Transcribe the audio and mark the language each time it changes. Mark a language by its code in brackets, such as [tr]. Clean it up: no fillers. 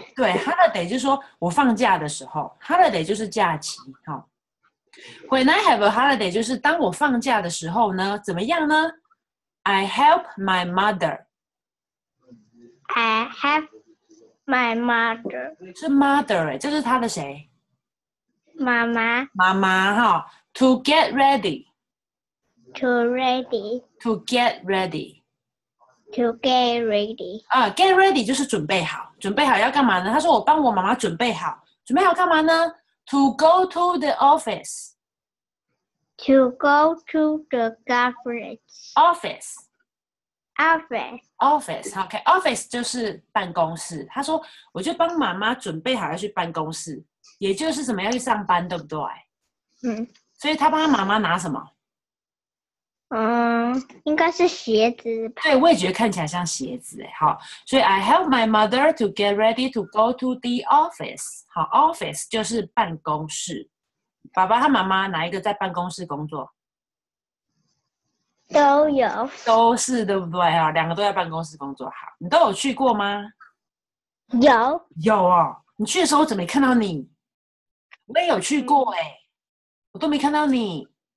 [zh] 对 ，Holiday 就是说我放假的时候 ，Holiday 就是假期。哈、哦、， [en] When I have a holiday， [zh] 就是当我放假的时候呢，怎么样呢 ？ [en] I help my mother。 I help my mother。 [zh] 是 mother 哎，这是他的谁？妈妈。妈妈哈、哦、， [en] to get ready。 To ready。 To get ready。 To get ready。 [zh] 啊 ，get ready 就是准备好，准备好要干嘛呢？他说我帮我妈妈准备好，准备好干嘛呢 ？ [en] To go to the office。 To go to the government office。 Office。 Office。 OK。 [zh] Office 就是办公室。他说我就帮妈妈准备好要去办公室，也就是什么要去上班，对不对？嗯。所以他帮他妈妈拿什么？嗯，应该是鞋子吧。对，我也觉得看起来像鞋子哎。好，所以 [en] I help my mother to get ready to go to the office。 [zh] 好 ，office 就是办公室。爸爸和妈妈哪一个在办公室工作？都有。都是对不对啊？两个都在办公室工作。好，你都有去过吗？有。有哦，你去的时候我怎么没看到你？我也有去过哎、嗯，我都没看到你。